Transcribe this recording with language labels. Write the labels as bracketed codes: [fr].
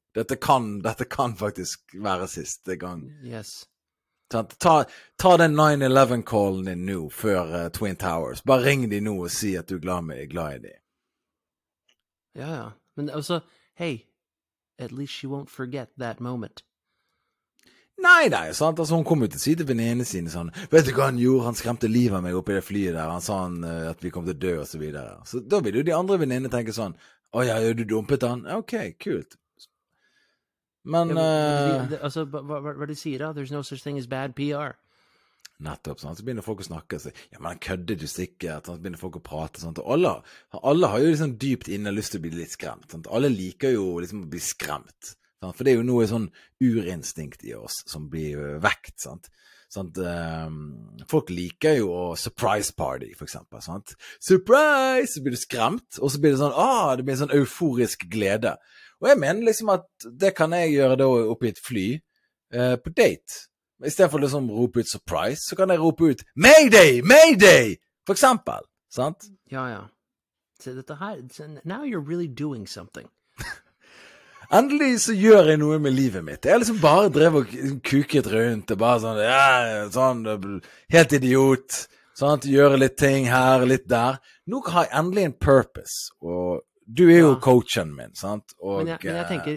[no] Dette kan faktisk være siste gang. [en] Yes. [no] Ta den 9-11-callen din nå, før Twin Towers. Bare ring de nå og si at du glad i de. Ja, ja. Men også, [en] hey, at least she won't forget that moment. [no] Nei, nei, sant? Altså, hun kom ut til siden på den ene siden, sånn, vet du hva han gjorde? Han skremte livet meg oppe i det flyet der, han sa han, at vi kom til å dø, og så videre. Så da vil jo de andre venene tenke sånn, åja, ja, du dumpet han? Ok, kult. Men, Altså, hva du sier da? [en] There's no such thing as bad PR. [no] Nettopp, sant? Så begynner folk å snakke, og si, ja, men han kødde du sikkert, så begynner folk å prate, sånn, og alle har jo liksom dypt inne lyst til å bli litt skremt, sant? Alle liker jo liksom å bli skremt. For det er jo noe sånn urinstinkt i oss som blir vekt, sant? Sånn, folk liker jo å surprise party, for eksempel, sant? Surprise! Så blir du skremt, og så blir det sånn, det blir en sånn euforisk glede. Og jeg mener liksom at det kan jeg gjøre da oppe i et fly, på date. I stedet for liksom å rope ut surprise, så kan jeg rope ut, mayday, mayday! For eksempel, sant? Ja, ja. Så dette her, [en] now you're really doing something. [no] Endelig så gjør jeg noe med livet mitt. Jeg liksom bare drev og kuket rundt, og bare sånn, ja, sånn, helt idiot, sånn, gjør litt ting her, litt der. Nå har jeg endelig en purpose, og du er jo coachen min, sant? Og,